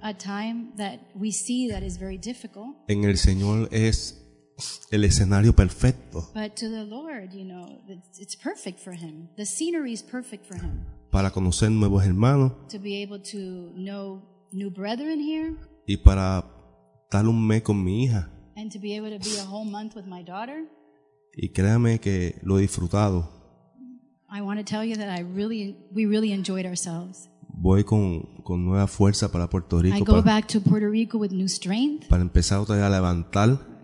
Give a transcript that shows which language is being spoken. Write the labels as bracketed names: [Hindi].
[English] a time that we see that is very difficult. [Spanish] En el Señor es el escenario perfecto. [English] But to the Lord, you know, it's perfect for him. The scenery is perfect for him. [Spanish] Para conocer nuevos hermanos. [English] To be able to know new brethren here. [Spanish] Y para estar un mes con mi hija. [English] And to be able to be a whole month with my daughter. [Spanish] Y créame que lo he disfrutado. [English] I want to tell you that we really enjoyed ourselves. [Spanish] Voy con nueva fuerza para Puerto Rico. [English] I go back to Puerto Rico with new strength. [Spanish] Para empezar otra vez a levantar.